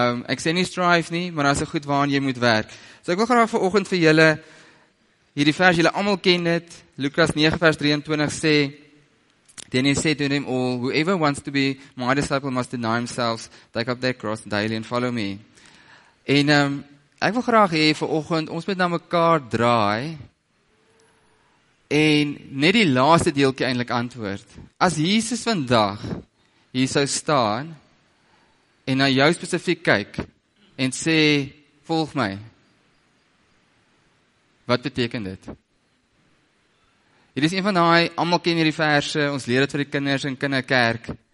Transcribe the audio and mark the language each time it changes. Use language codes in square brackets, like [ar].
[af] Ek sê nie strive nie, maar as 'n goed waaraan jy moet werk. So ek wil graag vanoggend vir julle hierdie vers julle almal ken dit. Lukas 9 vers 23 sê [en] then he said to them all, whoever wants to be my disciple must deny himself, take up their cross daily and follow me. [af] En ek wil graag hê vanoggend ons moet na mekaar draai. En net die laaste deeltjie eintlik antwoord. As Jesus vandag hier sou staan en na jou spesifiek kyk en sê volg my. Wat beteken dit? Hierdie is een van daai almal ken hierdie verse, ons leer dit vir die kinders in kinderkerk.